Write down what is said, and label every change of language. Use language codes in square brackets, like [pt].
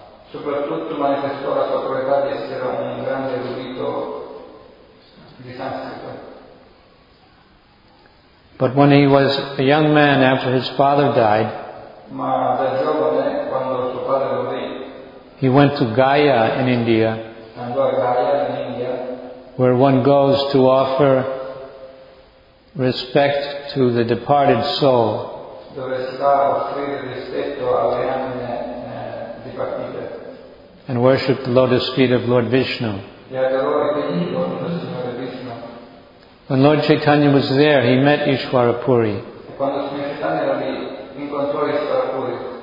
[it] Soprattutto manifestò la sua proprietà di essere un grande erudito di sanscrito. [en] But when he was a young man after his father died, [it] ma da giovane, quando suo padre morì, [en] he went to Gaya in India. [it] Andò a Gaya in India, [en] where one goes to offer respect to the departed soul. [it] Dove si va a offrire rispetto alle anime dipartite. [en] And worship the lotus feet of Lord Vishnu. [it] E adorare i piedi del Signore Vishnu. [en] When Lord Chaitanya was there, he met Ishvara Puri. [it] Quando Signor Chaitanya era lì, incontrò Ishvara Puri.